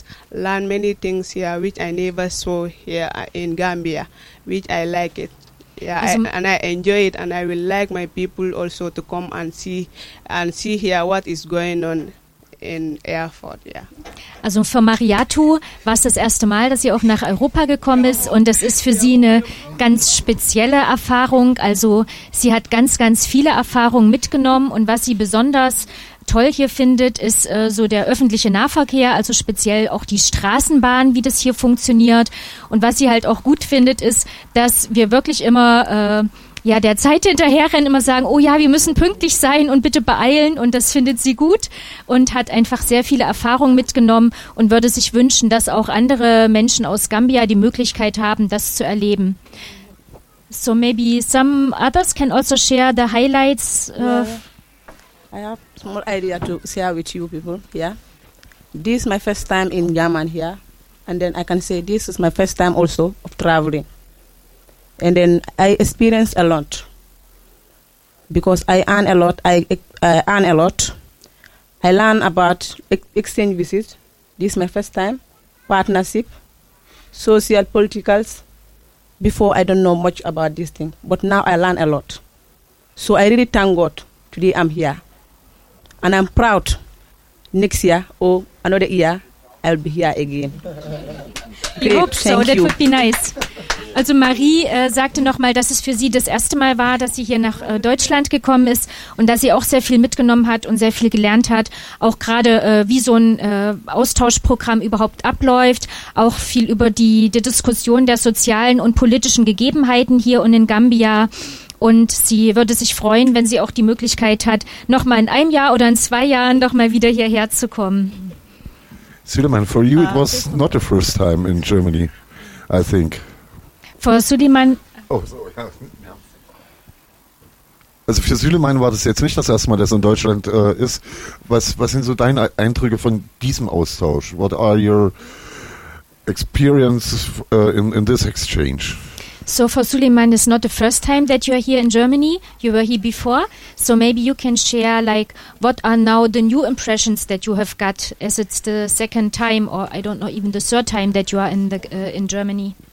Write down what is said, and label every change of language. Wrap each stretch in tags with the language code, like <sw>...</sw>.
<en>Learn many things here, which I never saw here in Gambia, which I like it. Yeah, and I enjoy it, and I will like my people also to come and see here what is going on in Erfurt, ja.</en> <de>Also für Mariatu war es das erste Mal, dass sie auch nach Europa gekommen ist, und das ist für sie eine ganz spezielle Erfahrung. Also sie hat ganz, ganz viele Erfahrungen mitgenommen, und was sie besonders toll hier findet, ist so der öffentliche Nahverkehr, also speziell auch die Straßenbahn, wie das hier funktioniert. Und was sie halt auch gut findet, ist, dass wir wirklich immer der Zeit hinterherrennen, immer sagen, oh ja, wir müssen pünktlich sein und bitte beeilen, und das findet sie gut und hat einfach sehr viele Erfahrungen mitgenommen und würde sich wünschen, dass auch andere Menschen aus Gambia die Möglichkeit haben, das zu erleben.</de> <en>So maybe some others can also share the highlights. I have a small idea to share with you people, yeah. This is my first time in German here, and then I can say this is my first time also of traveling. And then I experienced a lot because I earn a lot. I learn about exchange visits. This is my first time. Partnership, social, politicals. Before, I don't know much about this thing, but now I learn a lot. So I really thank God today I'm here. And I'm proud next year or another year, I'll be here again. Great. We hope so. That would be nice.</en> <de>Also Marie sagte nochmal, dass es für sie das erste Mal war, dass sie hier nach Deutschland gekommen ist und dass sie auch sehr viel mitgenommen hat und sehr viel gelernt hat, auch gerade wie so ein Austauschprogramm überhaupt abläuft, auch viel über die Diskussion der sozialen und politischen Gegebenheiten hier und in Gambia. Und sie würde sich freuen, wenn sie auch die Möglichkeit hat, nochmal in einem Jahr oder in 2 Jahren nochmal wieder hierher zu kommen.</de> <en>Suleiman, for you it was not the first time in Germany, I think.</en> <de>Für Suleiman. Also für Suleiman war das jetzt nicht das erste Mal, dass er in Deutschland ist. Was sind so deine Eindrücke von diesem Austausch?</de> <en>What are your experiences in this exchange? So for Suleiman, it's not the first time that you are here in Germany. You were here before. So maybe you can share like what are now the new impressions that you have got, as it's the second time, or I don't know, even the third time that you are in the in Germany.</en>